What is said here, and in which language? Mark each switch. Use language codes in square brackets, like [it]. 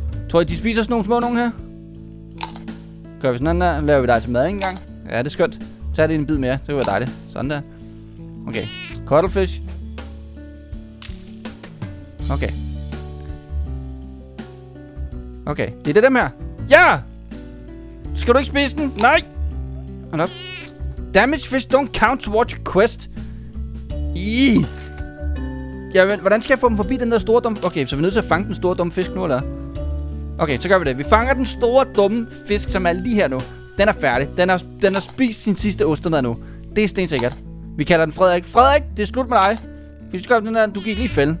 [da] Tror I, de spiser sådan nogle små nogen her? Gør vi sådan der, laver vi dig til mad en gang. Ja, det er skønt. Tag lige en bid mere, det kan være dejligt. Sådan der. Okay. Cuttlefish. Okay. Okay, det er det dem her. Ja! Skal du ikke spise den? Nej! Hold op. [en] Damage fish don't count towards your quest. [da] Ja, men hvordan skal jeg få dem forbi den der store dumme... Okay, så er vi nødt til at fange den store dumme fisk nu, eller? Okay, så gør vi det. Vi fanger den store dumme fisk, som er lige her nu. Den er færdig. Den er spist sin sidste ostemad nu. Det er stensikkert. Vi kalder den Frederik. Frederik, det er slut med dig. Vi skal gøre den der... Du gik lige i fælden.